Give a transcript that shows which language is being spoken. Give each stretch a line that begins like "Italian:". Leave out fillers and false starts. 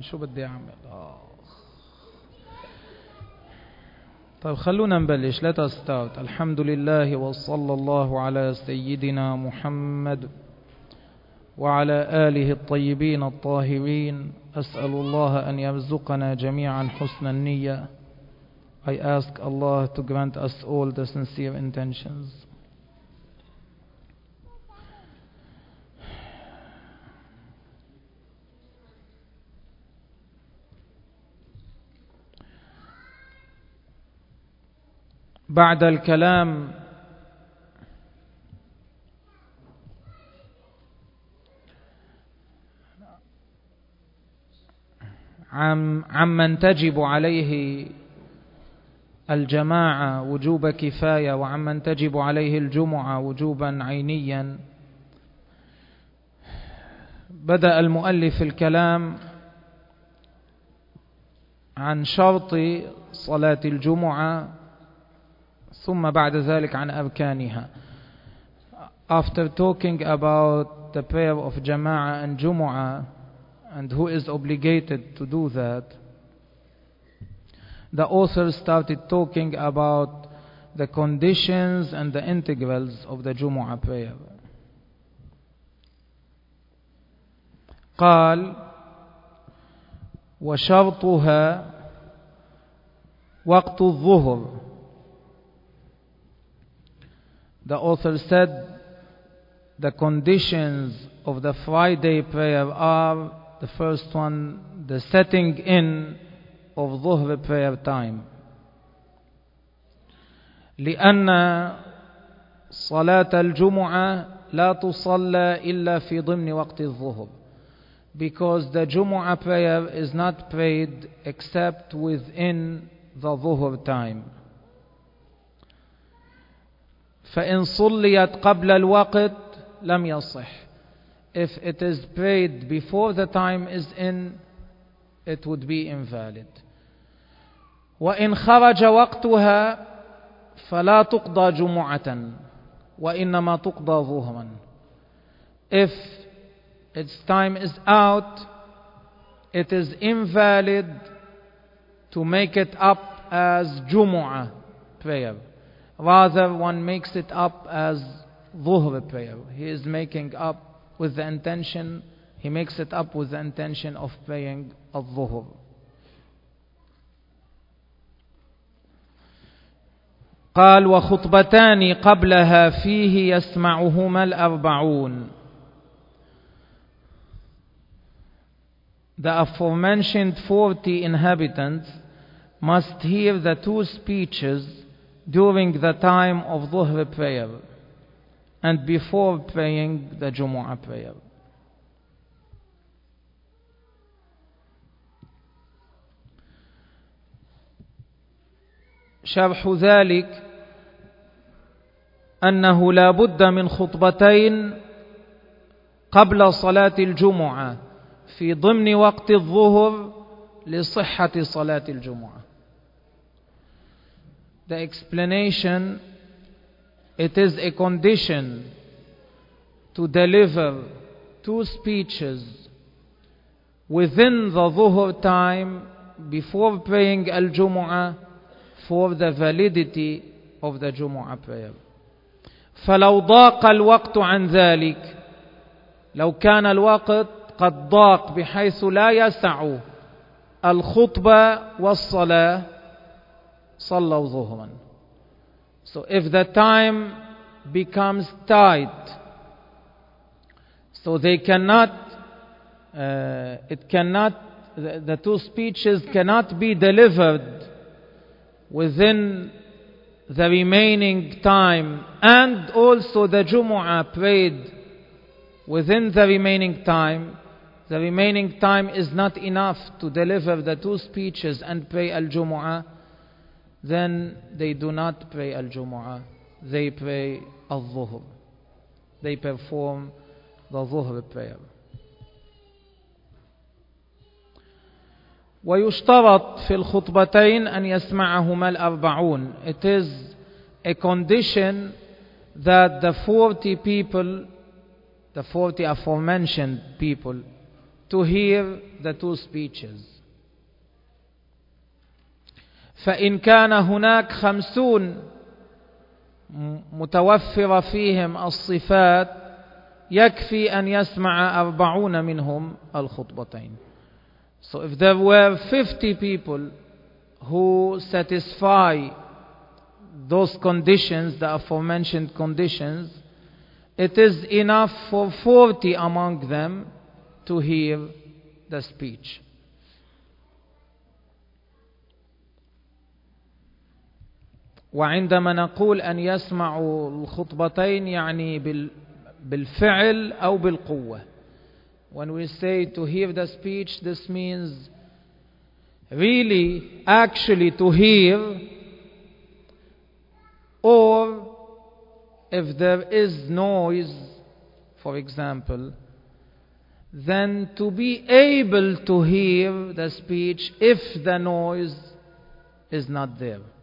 Arabic: شو بدي اعمل؟ طيب خلونا نبلش.
English: Let us start.
Arabic: الحمد لله وصلى الله على سيدنا محمد وعلى آله الطيبين الطاهرين. أسأل الله أن يرزقنا جميعا حسن النية.
English: I ask Allah to grant us all the sincere intentions.
Arabic: بعد الكلام عمن تجب عليه الجماعة وجوب كفاية وعمن تجب عليه الجمعة وجوبا عينيا, بدأ المؤلف الكلام عن شرط صلاة الجمعة ثم بعد ذلك عن أركانها.
English: After talking about the prayer of Jama'ah and Jumu'ah and who is obligated to do that, the author started talking about the conditions and the integrals of the Jumu'ah prayer.
Arabic: قال وشرطها وقت الظهر.
English: The author said the conditions of the Friday prayer are the first one, the setting in of Dhuhr prayer time.
Arabic: لأن صلاة الجمعة لا تصلى إلا في ضمن وقت الظهر.
English: Because the Jumu'ah prayer is not prayed except within the Dhuhr time.
Arabic: فإن صليت قبل الوقت لم يصح.
English: If it is prayed before the time is in, it would be invalid.
Arabic: وإن خرج وقتها فلا تقضى جمعة وإنما تقضى ظهرا.
English: If its time is out, it is invalid to make it up as Jumu'ah prayer. Rather, one makes it up as Dhuhr prayer. He is making up with the intention, he makes it up with the intention of praying al-Dhuhr.
Arabic: قال وخطبتان قبلها فيه يسمعهما الأربعون.
English: The aforementioned 40 inhabitants must hear the two speeches during the time of Dhuhr prayer and before praying the Jumu'ah prayer.
Arabic: شرح ذلك أنه لا بد من خطبتين قبل صلاة الجمعة في ضمن وقت الظهر لصحة صلاة الجمعة.
English: The explanation, it is a condition to deliver two speeches within the Dhuhr time before praying Al-Jumu'ah for the validity of the Jumu'ah prayer.
Arabic: فلو ضاق الوقت عن ذلك, لو كان الوقت قد ضاق بحيث لا يسع الخطبة والصلاة صلوا ظهرا.
English: So if the time becomes tight, so they cannot, it cannot, the two speeches cannot be delivered within the remaining time, and also the Jumu'ah prayed within the remaining time, The remaining time is not enough to deliver the two speeches and pray al-Jumu'ah, then they do not pray al-Jumu'ah. They pray al-Dhuhr. They perform the Dhuhr prayer.
Arabic: ويشترط في الخطبتين أن يسمعهما الأربعون.
English: It is a condition that the 40 people, the 40 aforementioned people, to hear the two speeches.
Arabic: فإن كان هناك 50 متوفرة فيهم الصفات يكفي أن يسمع 40 منهم الخطبتين.
English: So if there were 50 people who satisfy those conditions, the aforementioned conditions, it is enough for 40 among them to hear the speech.
Arabic: وعندما نقول أن يسمعوا الخطبتين يعني بالفعل أو بالقوة.
English: When we say to hear the speech, this means really, actually to hear, or if there is noise, for example, then to be able to hear the speech if the noise is not there.